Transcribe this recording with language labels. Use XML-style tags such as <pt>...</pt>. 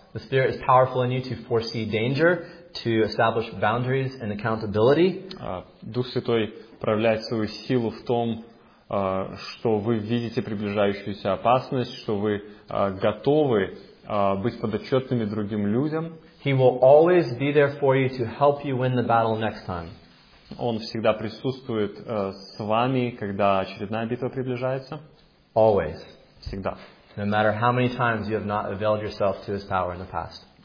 <en>The Spirit is powerful in you to foresee danger, to establish boundaries and accountability.</en> <ru>Дух Святой проявляет свою силу в том, что вы видите приближающуюся опасность, что вы готовы быть подотчетными другим людям.</ru> <en>He will always be there for you to help you win the battle next time.</en> <ru>Он всегда присутствует с вами, когда очередная битва приближается.</ru> <en>Always.</en> <ru>Всегда.</ru> <en>No matter how many times you have not availed yourself to his power in the past.</en>